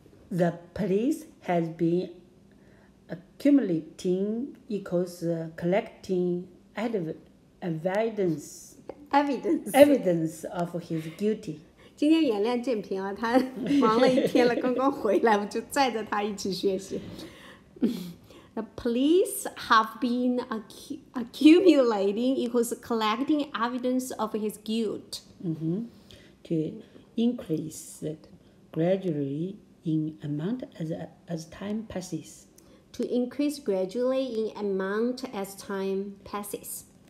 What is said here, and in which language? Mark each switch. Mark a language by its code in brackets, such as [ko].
[en] The police has been accumulating equals collecting evidence of his guilty. [zh] 今天原谅建平了，他忙了一天了，刚刚回来，我就拽着他一起学习。 [en] The police have been accumulating equals collecting evidence of his guilt. To increase gradually in amount as time passes. To increase gradually in amount as time passes.